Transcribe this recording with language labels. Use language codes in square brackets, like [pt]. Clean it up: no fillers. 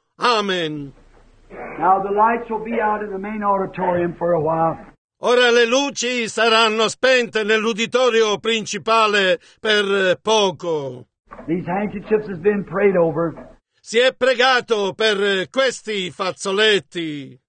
[en] Amen. Now the lights will be out in the main auditorium for a while. [it] Ora le luci saranno spente nell'uditorio principale per poco. [en] These handkerchiefs have been prayed over. [it] Si è pregato per questi fazzoletti.